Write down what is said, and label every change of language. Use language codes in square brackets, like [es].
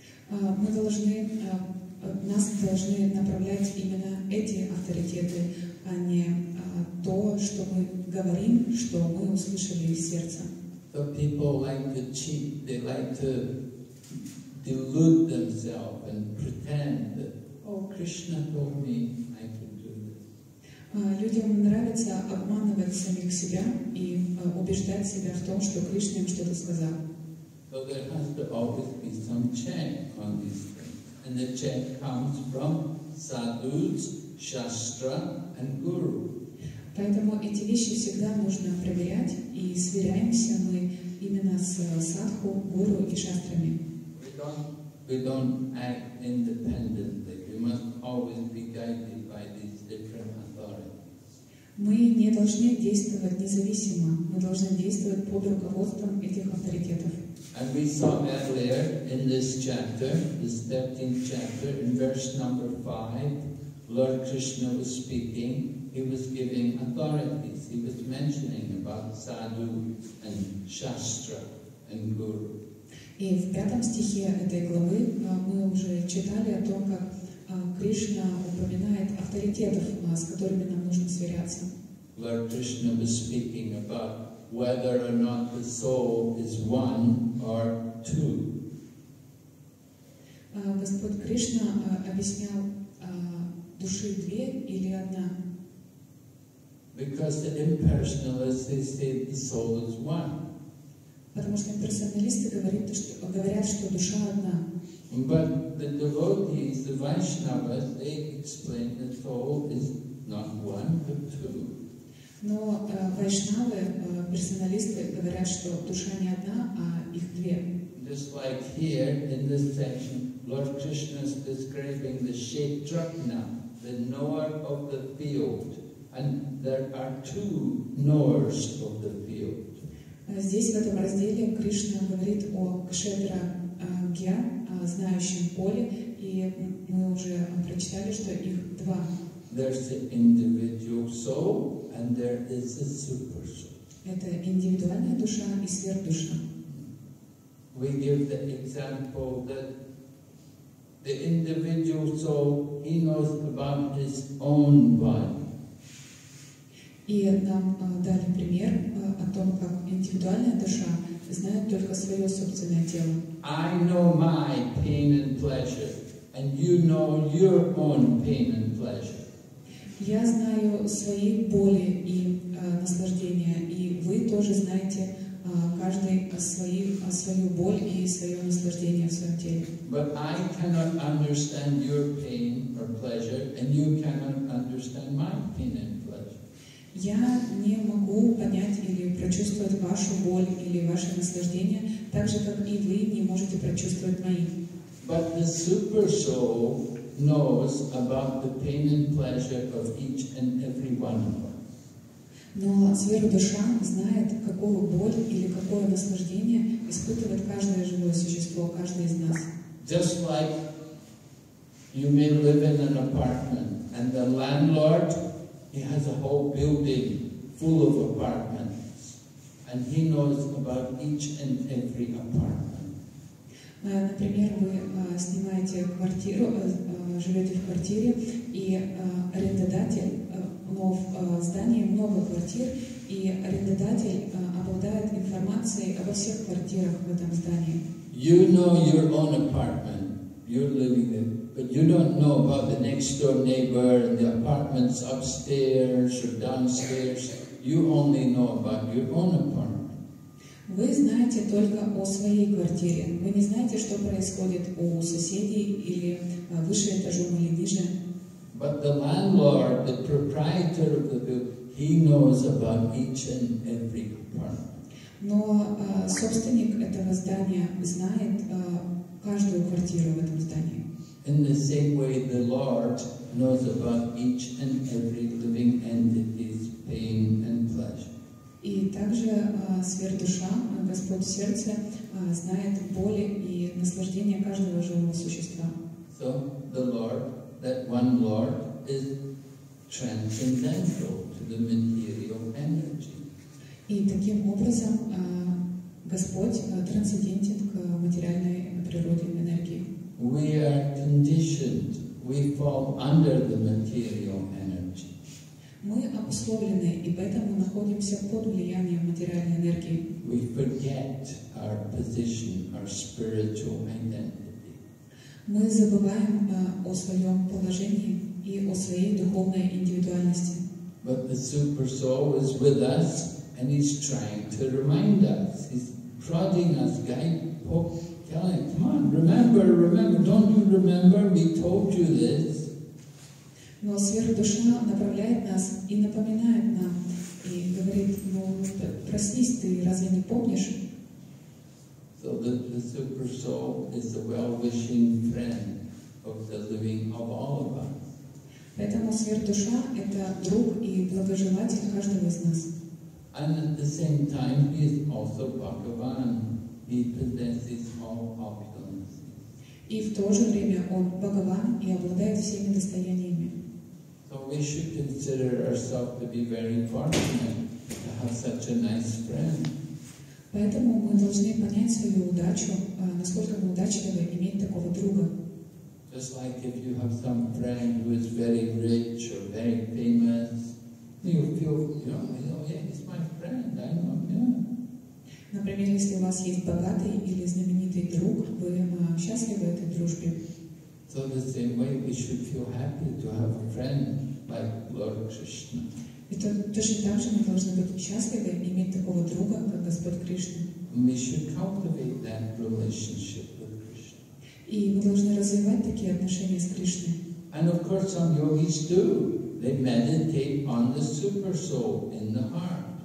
[ru] Мы должны нас должны направлять именно эти авторитеты, а не то, что мы говорим, что мы услышали из сердца. [en] But people like to cheat, they like to delude themselves and pretend that, oh, Krishna told me I can do this. [ru] Людям нравится обманывать самих себя и убеждать себя в том, что Кришна им что-то сказал. [en] So there has to always be some check on these things. And the check comes from sadhus, shastra and guru. [ru] Поэтому эти вещи всегда нужно проверять, и сверяемся мы именно с садху, гуру и шастрами. [en] We don't act independently. We must always be guided by these different authorities. [ru] Мы не должны действовать независимо. Мы должны действовать под руководством этих авторитетов. [en] And we saw earlier in this chapter, this 13th chapter, in verse number 5, Lord Krishna was speaking. He was giving authorities. He was mentioning about sadhu and shastra and guru. [ru] И в пятом стихе этой главы мы уже читали о том, как Кришна упоминает авторитетов, с которыми нам нужно сверяться. [en] Lord Krishna was speaking about whether or not the soul is one or two. [ru] Господь Кришна объяснял души две или одна. [en] Because the impersonalists, they say the soul is one. [ru] Потому что имперсоналисты говорят, что душа одна. [en] But the devotees, the Vaishnavas, they explain that the soul is not one, but two. [ru] Но вайшнавы, персоналисты говорят, что душа не одна, а их две. [en] Just like here in this section, Lord Krishna is describing the Kshetrajna, the knower of the field, and there are two knowers of the field. [ru] Здесь, в этом разделе, Кришна говорит о кшетра-гья, знающем поле, и мы уже прочитали, что их два. [en] There's the individual soul, and there is the super soul. [ru] Это индивидуальная душа и сверхдуша. [en] We give the example that the individual soul, he knows about his own body. [ru] И нам дали пример о том, как индивидуальная душа знает только свое собственное тело. [en] I know my pain and pleasure, and you know your own pain and pleasure. [ru] Я знаю свои боли и наслаждения, и вы тоже знаете каждый свою боль и свое наслаждение в своем теле. [en] But I cannot understand your pain or pleasure, and you cannot understand my pain and pleasure. [ru] Я не могу понять или прочувствовать вашу боль или ваше наслаждение, так же, как и вы не можете прочувствовать мои. [en] But the super soul knows about the pain and pleasure of each and every one of us. [ru] Но сверхдуша знает, какую боль или какое наслаждение испытывает каждое живое существо, каждый из нас. [en] Just like you may live in an apartment and the landlord, he has a whole building full of apartments, and he knows about each and every apartment. [ru] Например, вы снимаете квартиру, живете в квартире, и арендодатель, но в здании много квартир, и арендодатель обладает информацией обо всех квартирах в этом здании. [en] You know your own apartment. You're living there. But you don't know about the next door neighbor and the apartments upstairs or downstairs. You only know about your own apartment. [ru] Вы знаете только о своей квартире. Вы не знаете, что происходит у соседей или выше этажом или ниже. [en] But the landlord, the proprietor of the building, he knows about each and every apartment. [ru] Но собственник этого здания знает каждую квартиру в этом здании. [en] In the same way, the Lord knows about each and every living entity's pain and pleasure. [ru] И также сверхдуша, Господь в сердце, знает боли и наслаждения каждого живого существа. [en] So the Lord, that one Lord, is transcendental to the material energy. [ru] И таким образом Господь трансцендентен к материальной природе энергии. [en] We are conditioned. We fall under the material energy. [ru] Мы обусловлены, и поэтому находимся под влиянием материальной энергии. [en] We forget our position, our spiritual identity. [ru] Мы забываем о своем положении и о своей духовной индивидуальности. [en] But the super soul is with us, and he's trying to remind us. He's prodding us, telling, come on, remember, remember, don't you remember? We told you this. [ru] Но сверхдуша направляет нас и напоминает нам и говорит, ну проснись ты, разве не помнишь? [en] So that the super soul is the well-wishing friend of the living of all of us. [ru] Поэтому сверхдуша — это друг и благожелатель каждого из нас. [en] And at the same time, he is also Bhagavan. He possesses all opulences. [ru] И в то же время он Бхагаван и обладает всеми достояниями. [en] So we should consider ourselves to be very fortunate to have such a nice friend. [ru] Поэтому мы должны понять свою удачу, насколько мы удачливы иметь такого друга. [en] Just like if you have some friend who is very rich or very famous, you feel, yeah, he's my friend, I know him, yeah. [ru] Например, если у вас есть богатый или знаменитый друг, вы счастливы этой дружбе. [en] So the same way we should feel happy to have a friend like Lord Krishna. [ru] Это точно так же мы должны быть счастливы иметь такого друга, как Господь Кришна. [en] We should cultivate that relationship with Krishna. [ru] И мы должны развивать такие отношения с Кришной. [en] And of course some yogis do. They meditate on the super soul in the heart.